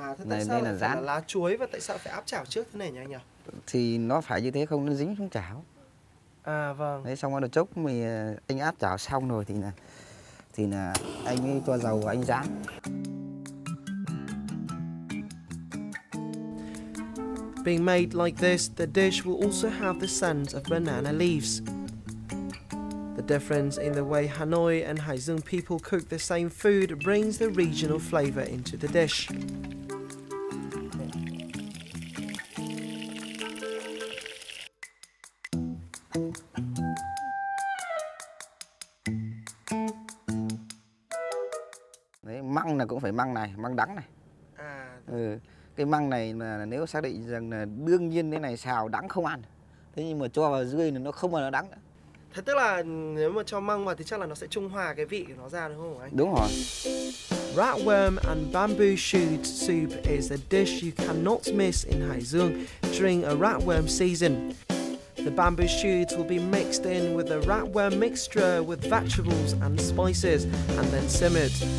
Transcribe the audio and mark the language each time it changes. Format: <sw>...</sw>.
<vi>Tại sao là lá chuối và tại sao phải áp chảo trước thế này nhỉ anh nhỉ? Thì nó phải như thế không nó dính xuống chảo. À vâng. Đấy, xong rồi đợt chốc mình anh áp chảo xong rồi thì anh ấy cho dầu anh rán.</vi> <en>Being made like this, the dish will also have the scent of banana leaves. The difference in the way Hanoi and Hải Dương people cook the same food brings the regional flavor into the dish.</en> <vi>Măng là cũng phải măng này, măng đắng này. Cái măng này mà nếu xác định rằng là đương nhiên thế này xào đắng không ăn. Thế nhưng mà cho vào rươi là nó không bao giờ đắng nữa. Thế tức là nếu mà cho măng vào thì chắc là nó sẽ trung hòa cái vị của nó ra đúng không anh? Đúng rồi.</vi> <en>Ratworm and bamboo shoot soup is a dish you cannot miss in Hải Dương during a ratworm season. The bamboo shoots will be mixed in with a ratworm mixture with vegetables and spices and then simmered.</en>